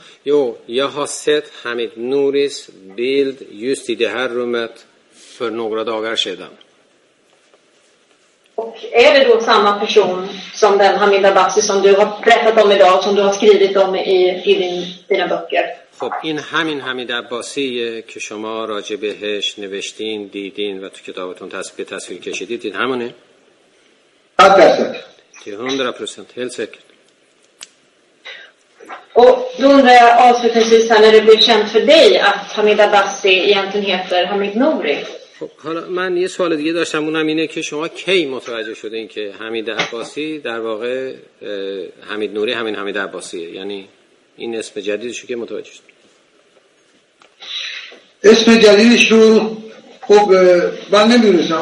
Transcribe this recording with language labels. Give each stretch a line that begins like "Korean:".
Swedish: Jo, jag har sett Hamid Nouris bild just i det här rummet för några dagar sedan. Och är det då samma person som den Hamid Abbasi som du har berättat om idag, som du har skrivit om i dina böcker?
Persian: خب این همین حمید عباسی که شما راجع بهش نوشتین، دیدین و تو کتابتون تصویر کشیدید، این همونه؟
Swedish: 100%, helt säkert. Och då undrar jag avslutningsvis här, när det blev känt för dig att Hamid Abbasi egentligen heter Hamid Nouri.
Persian: حالا من یه سوال دیگه داشتم، اونم اینه که شما کی متوجه شدین که حمید عباسی در واقع حمید نوری همین حمید عباسیه؟ یعنی این اسم جدیدش رو کی متوجه شد؟ اسم جدیدش رو خب من نمی‌دونستم.